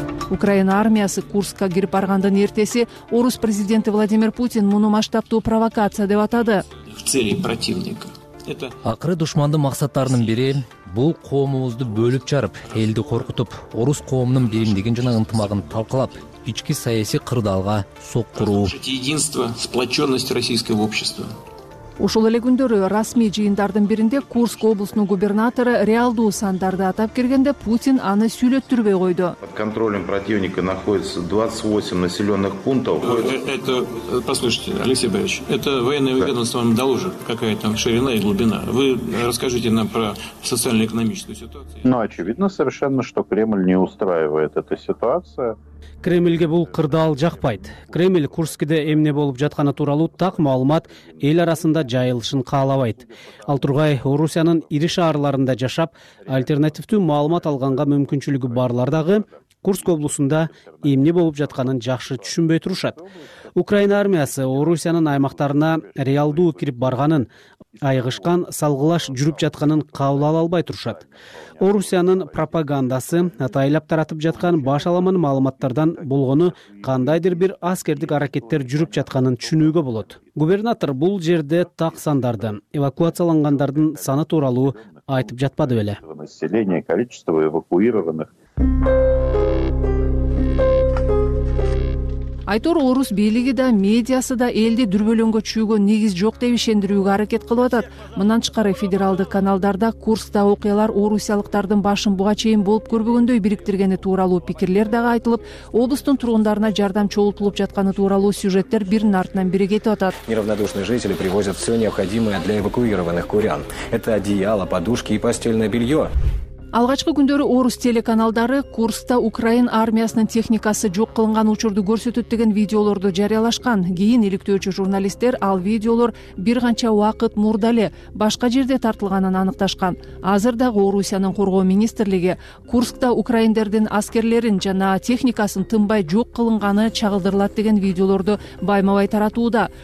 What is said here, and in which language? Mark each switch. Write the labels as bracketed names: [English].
[Kyrgyz] Украина армиясы Курска кирип баргандын эртеси орус президенти Владимир Путин муну масштабтуу провокация деп атады. [Russian] В цели противника. [Kyrgyz] Акыры душмандын максаттарынын бири бул коомубузду бөлүп чарып, элди коркутуп, орус коомунун биримдигин жана ынтымагын талкалап, ички саясий кырдаалга соктуруу. [Russian] Единство, сплочённость российского общества. [Kyrgyz] Ушул эле күндөрү расмий жыйындардын биринде Курск облусунун губернатору реалдуу сандарды атап киргенде Путин аны сүйлөттүрбөй койду. [Russian] Под контролем противника находится 28 населенных пунктов. Это, послушайте, Алексей Борисович, это военное ведомство вам доложит, какая там ширина и глубина. Вы расскажите нам про социально-экономическую ситуацию. Ну, очевидно совершенно, что Кремль не устраивает эта ситуация. [Kyrgyz] Кремльге бул кырдаал жакпайт. Кремль Курскиде эмне болуп жатканы тууралуу так маалымат эл арасында жайылышын каалабайт. Ал тургай Орусиянын ири шаарларында жашап, альтернативдүү маалымат алганга мүмкүнчүлүгү барлар дагы Курск облусунда эмне болуп жатканын жакшы түшүнбөй турушат. Украина армиясы Орусиянын аймактарына реалдуу кирип барганын, айгышкан салгылаш жүрүп жатканын кабыл ала албай турушат. Орусиянын пропагандасы атайлап таратып жаткан баш аламан маалыматтардан болгону кандайдыр бир аскердик аракеттер жүрүп жатканын түшүнүүгө болот. Губернатор бул жерде так сандарды, эвакуациялангандардын саны тууралуу айтып жатпады беле. [Russian] Население, количество эвакуированных. [Kyrgyz] Айтор орус бийлиги да, медиасы да элди дүрбөлөңгө чүйгө негиз жок деп ишендирүүгө аракет кылып атат. Мындан тышкары федералдык каналдарда Курскта окуялар орусиялыктардын башын буга чейин болуп көрбөгөндөй бириктиргени тууралуу пикирлер дагы айтылып, облустун тургундарына жардам чогултулуп жатканы тууралуу сюжеттер бирин артынан бири кетип атат. [Russian] Неравнодушные жители привозят все необходимое для эвакуированных курян. Это одеяло, подушки и постельное белье. [Kyrgyz] Алгачкы күндөрү орус телеканалдары Курскта Украин армиясынын техникасы жок кылынган учурду көрсөтөт деген видеолорду жарыялашкан. Кийин иликтөөчү журналисттер ал видеолор бир канча убакыт мурда эле башка жерде тартылганын аныкташкан. Азыр дагы Орусиянын коргоо министрлиги Курскта украиндердин аскерлерин жана техникасын тынбай жок кылынганы чагылдырылат деген видеолорду байма-бай таратууда.